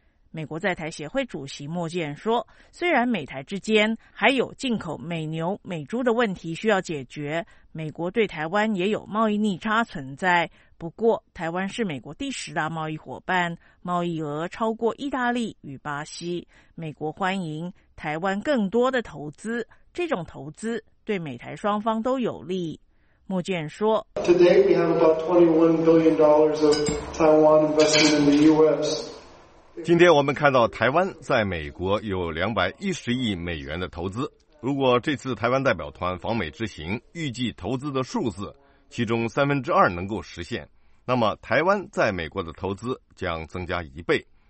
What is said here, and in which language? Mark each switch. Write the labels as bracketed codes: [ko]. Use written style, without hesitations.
[zh] 美国在台协会主席莫健说，虽然美台之间还有进口美牛美猪的问题需要解决，美国对台湾也有贸易逆差存在，不过台湾是美国第十大贸易伙伴，贸易额超过意大利与巴西，美国欢迎台湾更多的投资，这种投资对美台双方都有利。莫健说， [en] Today we have about $21 billion of Taiwan investment in the U.S. [zh] 今天我们看到台湾在美国有210亿美元的投资，如果这次台湾代表团访美之行预计投资的数字其中2/3能够实现，那么台湾在美国的投资将增加1倍。